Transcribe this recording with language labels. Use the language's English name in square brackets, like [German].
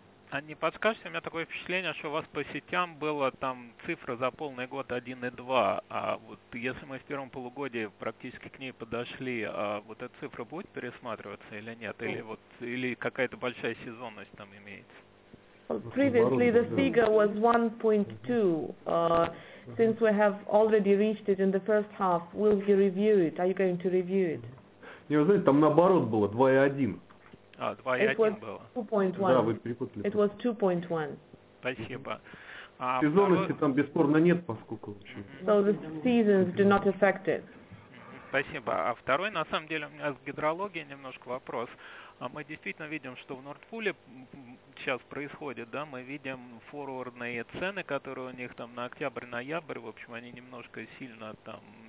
[Russian] Они подскажете, у меня такое впечатление, что у вас по сетям была там цифра за полный год 1,2, а вот если мы в первом полугодии практически к ней подошли, а вот эта цифра будет пересматриваться или нет, или вот или какая-то большая сезонность там имеется? [English] Well, previously the figure was 1.2. Since we have already reached it in the first half, will you review it? Are you going to review it? [Russian] Не, вы знаете, там наоборот было 2,1. А, 2.1 было. Да, вы Спасибо. Сезонности там бесспорно нет, поскольку... [English] So the seasons do not affect it. [Russian] Спасибо. А второй, на самом деле, у меня с гидрологией немножко вопрос. Мы действительно видим, что в Нордпуле сейчас происходит, да, мы видим форвардные цены, которые у них там на октябрь-ноябрь, в общем, они немножко сильно там...